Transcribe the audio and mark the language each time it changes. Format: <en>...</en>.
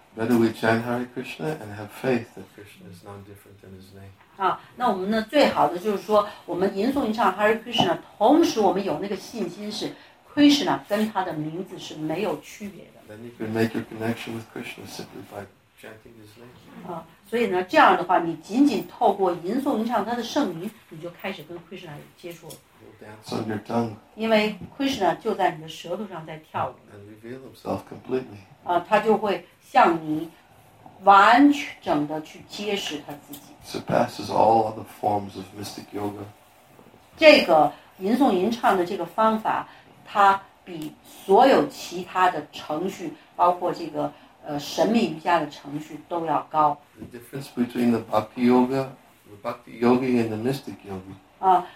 <en>Better we chant Hare Krishna and have faith that Krishna is none different than His name.</en> <zh>那我们呢？最好的就是说，我们吟诵一唱 Hare Krishna， 同时我们有那个信心是 Krishna 跟他的名字是没有区别的。</zh> <en>Then you can make your connection with Krishna simply by chanting His name.</en> <zh>所以呢，这样的话，你仅仅透过吟诵一唱他的圣名，你就开始跟 Krishna 有接触了。</zh> <en>Dance on your tongue.</en> <zh>因为 Krishna 就在你的舌头上在跳舞。</zh> <en>And reveal himself completely.</en> <zh>他就会向你完整的去揭示他自己。</zh> <en>Surpasses all other forms of mystic yoga.</en> <zh>这个吟诵吟唱的这个方法，它比所有其他的程序，包括这个神秘瑜伽的程序都要高。</zh> <en>The difference between the bhakti yoga, the bhakti yogi and the mystic yogi.</en>